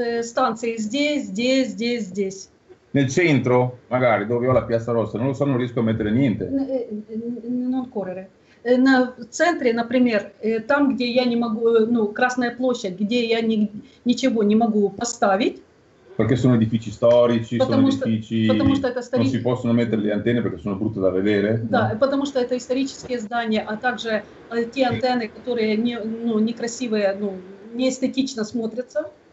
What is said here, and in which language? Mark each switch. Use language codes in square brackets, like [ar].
[ru] Меня станции здесь, здесь, здесь, здесь. [it] Nel centro, magari, dove ho la Piazza Rossa, non lo so, non riesco a mettere niente. Non correre. [ru] На центре, например, там, где я не могу, ну, Красная площадь, где я ничего не могу поставить. [it] Perché sono edifici storici, sono edifici, non si possono mettere le antenne perché sono brutte da vedere. [ru] Да, потому что это исторические здания, а также те антенны, которые не, ну, некрасивые, ну, не эстетично смотрятся.